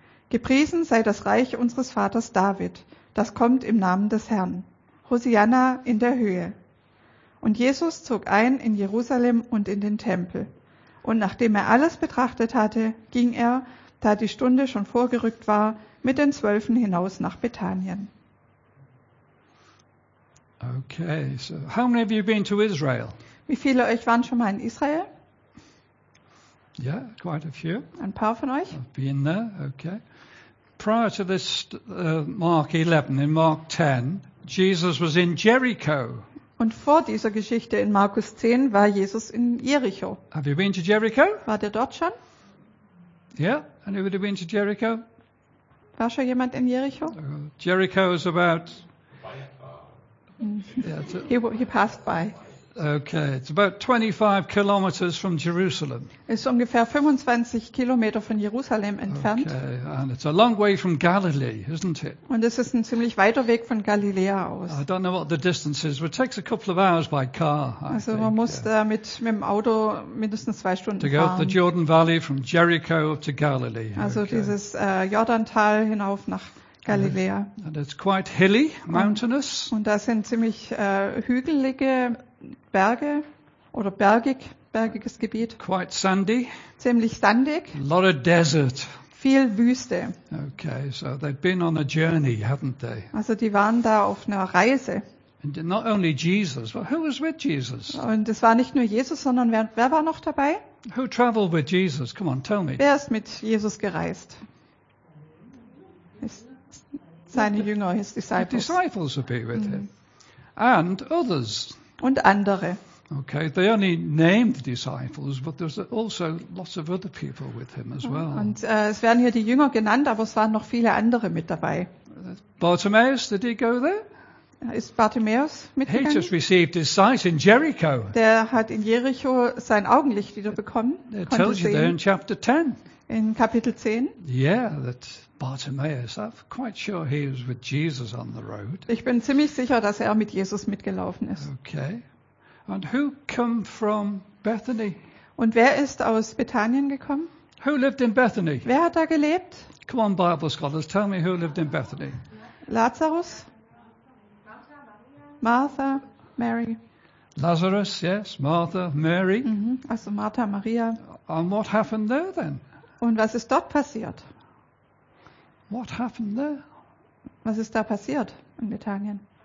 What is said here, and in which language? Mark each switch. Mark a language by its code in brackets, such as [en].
[de] Gepriesen sei das Reich unseres Vaters David, das kommt im Namen des Herrn. Hosianna in der Höhe. Und Jesus zog ein in Jerusalem und in den Tempel. Und nachdem er alles betrachtet hatte, ging er, da die Stunde schon vorgerückt war, mit den Zwölfen hinaus nach Bethanien. [en] Okay, so how many of you been to Israel? [de] Wie viele euch waren schon mal in Israel? [en] Yeah, quite a few. [de] Ein paar von euch? [en] I've been there, okay. Prior to this Mark 11, in Mark 10, Jesus was in Jericho. [de] Und vor dieser Geschichte in Markus 10 war Jesus in Jericho. [en] Have you been to Jericho? [de] War der dort schon? [en] Yeah, anybody been to Jericho? [de] War schon jemand in Jericho? [en] Jericho is about. He passed by. Okay, it's about 25 kilometers from Jerusalem. [de] Ist ungefähr 25 Kilometer von Jerusalem entfernt. [en] Okay, and it's a long way from Galilee, isn't it? [de] Und es ist ein ziemlich weiter Weg von Galiläa aus. [en] I don't know what the distance is, but it takes a couple of hours by car. [de] Also man muss da mit dem Auto mindestens 2 Stunden fahren. [en] To go up the Jordan Valley from Jericho to Galilee. [de] Also dieses Jordantal hinauf nach Galiläa. [en] And it's quite hilly, mountainous. [de] Und das sind ziemlich hügelige Berge oder bergiges Gebiet. [en] Quite sandy. [de] Ziemlich sandig. [en] A lot of desert. [de] Viel Wüste. [en] Okay, so they've been on a journey, haven't they? [de] Also die waren da auf einer Reise. [en] And not only Jesus, but who was with Jesus? [de] Und es war nicht nur Jesus, sondern wer war noch dabei? [en] Who traveled with Jesus? Come on, tell me. [de] Wer ist mit Jesus gereist? Seine Jünger, [en] his disciples. The disciples would be with him. And others. [de] Und andere. [en] Okay, they only named the disciples, but there's also lots of other people with him as well. [de] Und es werden hier die Jünger genannt, aber es waren noch viele andere mit dabei. [en] Bartimaeus, did he go there? [de] Ist Bartimaeus mitgegangen? [en] He just received his sight in Jericho. [de] Der hat in Jericho sein Augenlicht wieder bekommen. [en] It tells you there in chapter 10. [de] In Kapitel 10. [en] Yeah, that Bartimaeus, I'm quite sure he was with Jesus on the road. [de] Ich bin ziemlich sicher, dass er mit Jesus mitgelaufen ist. [en] Okay. And who come from Bethany? [de] Und wer ist aus Bethanien gekommen? [en] Who lived in Bethany? [de] Wer hat da gelebt? [en] Come on, Bible scholars, tell me who lived in Bethany. Lazarus? Martha, Mary. Lazarus, yes, Martha, Mary. [de] Mm-hmm. Also Martha, Maria. [en] And what happened there then? [de] Und was ist dort passiert? [en] What happened there? [de] Was ist da passiert in Bethanien?